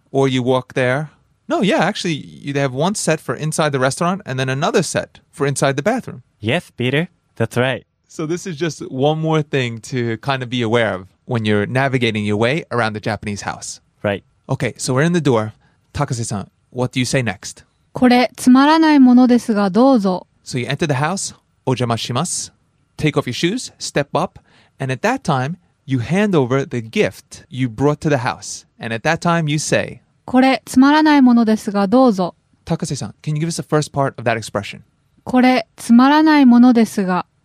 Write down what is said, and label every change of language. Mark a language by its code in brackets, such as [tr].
[en] Or you walk there. No, yeah, actually, you have one set for inside the restaurant and then another set for inside the bathroom. Yes, Peter, that's right. So this is just one more thing to kind of be aware of when you're navigating your way around the Japanese house. Right. Okay, so we're in the door. Takase-san, what do you say next? [ja] これつまらないものですがどうぞ。 [en] So you enter the house. お邪魔します。 Take off your shoes. Step up. And at that time, you hand over the gift you brought to the house. And at that time, you say, [ja] これつまらないものですがどうぞ。 [en] Takase-san, can you give us the first part of that expression? [ja] これつまらないものですが。